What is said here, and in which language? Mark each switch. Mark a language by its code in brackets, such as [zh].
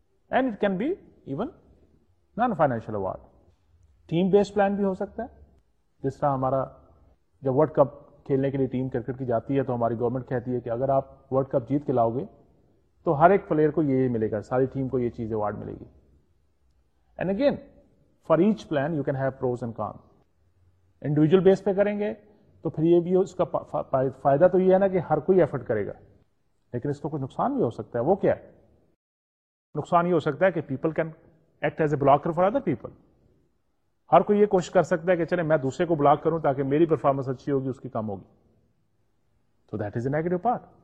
[ur] And it can be even non financial award. Team based plan بھی ہو سکتا ہے, جس طرح ہمارا جب ورلڈ کپ کھیلنے کے لیے ٹیم کرکٹ کی جاتی ہے تو ہماری گورنمنٹ کہتی ہے کہ اگر آپ ورلڈ کپ جیت کے لاؤ گے تو ہر ایک پلیئر کو یہ ملے گا, ساری ٹیم کو یہ چیز اوارڈ ملے گی. [en] And again for each plan you can have pros and cons. [ur] انڈیویجل بیس پہ کریں گے تو پھر یہ بھی اس کا فائدہ تو یہ ہے نا کہ ہر کوئی ایفرٹ کرے گا, لیکن اس کا کچھ نقصان بھی ہو سکتا ہے. وہ کیا نقصان؟ یہ ہو سکتا ہے کہ people can act as a blocker for other people. ہر کوئی یہ کوشش کر سکتا ہے کہ چلے میں دوسرے کو بلاک کروں تاکہ میری پرفارمنس اچھی ہوگی, اس کی کم ہوگی. تو that is a negative part.